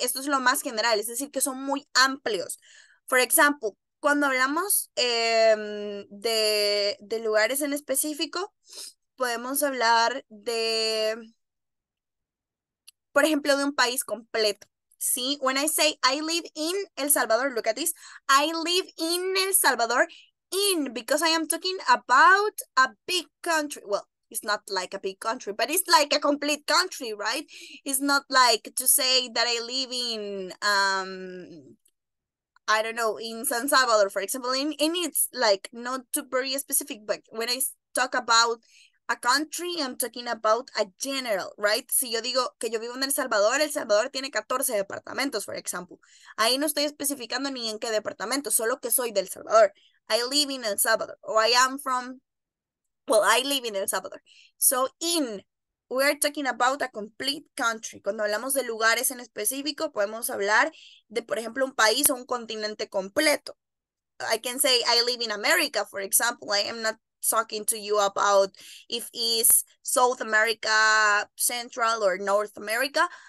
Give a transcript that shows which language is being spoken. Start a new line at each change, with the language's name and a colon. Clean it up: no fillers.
Spanish: Esto es lo más general, es decir, que son muy amplios. For example, cuando hablamos de lugares en específico, podemos hablar de, por ejemplo, de un país completo, ¿sí?
English: When I say I live in El Salvador, look at this, I live in El Salvador, in, because I am talking about a big country. Well, it's not like a big country, but it's like a complete country, right? It's not like to say that I live in, I don't know, in San Salvador, for example. And it's like not too very specific, but when I talk about a country, I'm talking about a general, right?
Spanish: Si yo digo que yo vivo en El Salvador tiene 14 departamentos, for example. Ahí no estoy especificando ni en qué departamento, solo que soy del Salvador.
English: I live in El Salvador, or I am from, well, I live in El Salvador. So in, we are talking about a complete country.
Spanish: Cuando hablamos de lugares en específico, podemos hablar de, por ejemplo, un país o un continente completo.
English: I can say I live in America, for example. I am not talking to you about if it's South America, Central, or North America.